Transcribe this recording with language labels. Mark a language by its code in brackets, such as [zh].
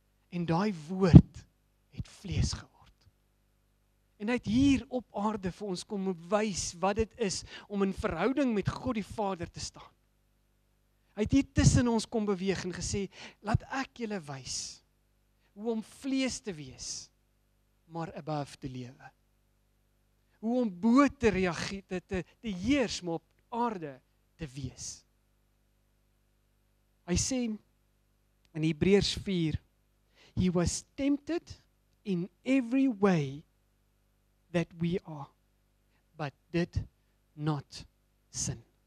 [af] En daai woord het vlees geword. En hy het hier op aarde vir ons kom bewys wat dit is om in verhouding met God die Vader te staan. Hy het hier tussen ons kom beweeg en gesê, laat ek julle wys hoe om vlees te wees, maar above te lewe. Hoe om bo te reageer, te heers, maar op aarde te wees. Hy sê in Hebreërs 4, [en] He was tempted in every way that we are, but did not sin.